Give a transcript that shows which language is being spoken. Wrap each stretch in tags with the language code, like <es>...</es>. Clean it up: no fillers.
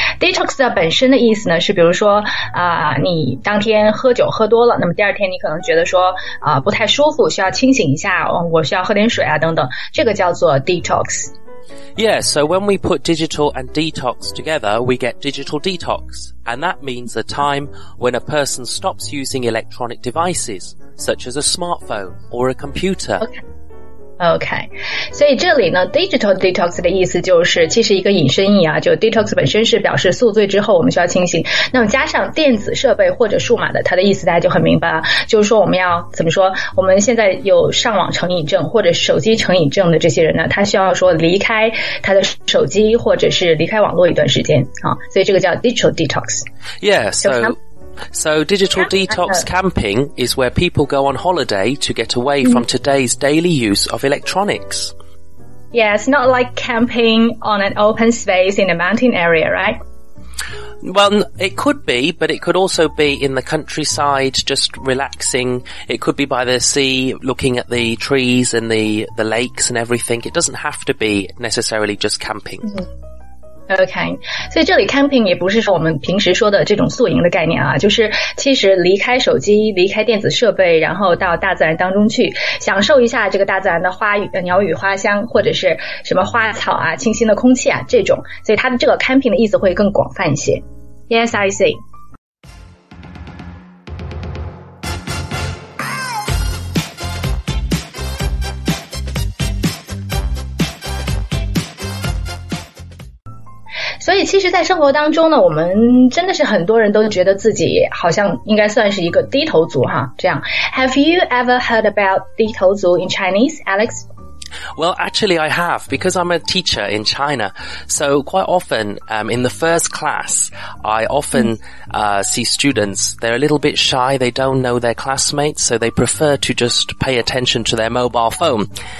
<zh>Detox 的本身的意思呢是比如说你当天喝酒喝多了，那么第二天你可能觉得说不太舒服，需要清醒一下，我需要喝点水啊等等，这个叫做 detox。</zh> <en>Yeah, so when we put digital and detox together, we get digital detox. And that means a time when a person stops using electronic devices. Such as a smartphone or a computer. Okay.</en> <zh>所以这里呢 digital detox 的意思就是其实一个引申义啊，就 detox 本身是表示宿醉之后我们需要清醒，那么加上电子设备或者数码的，它的意思大家就很明白了，就是说我们要怎么说，我们现在有上网成瘾症或者手机成瘾症的这些人呢，他需要说离开他的手机或者是离开网络一段时间啊，所以这个叫 digital detox.</zh> <en>Yes.、Yeah, So digital detox camping is where people go on holiday to get away from today's daily use of electronics. Yeah, it's not like camping on an open space in a mountain area, right? Well, it could be, but it could also be in the countryside, just relaxing. It could be by the sea, looking at the trees and the lakes and everything. It doesn't have to be necessarily just camping. Mm-hmm.</en> <zh>OK, 所以这里 camping 也不是说我们平时说的这种宿营的概念啊，就是其实离开手机，离开电子设备，然后到大自然当中去，享受一下这个大自然的花语、鸟语花香，或者是什么花草啊，清新的空气啊，这种，所以它的这个 camping 的意思会更广泛一些。</zh> <en>Yes, I see.</en> <zh>所以其实在生活当中呢，我们真的是很多人都觉得自己好像应该算是一个低头族哈，这样。</zh> <en>Have you ever heard about 低头族 in Chinese, Alex? Well, actually I have, because I'm a teacher in China. So quite often, in the first class, I often, see students, they're a little bit shy, they don't know their classmates, so they prefer to just pay attention to their mobile phone.</en>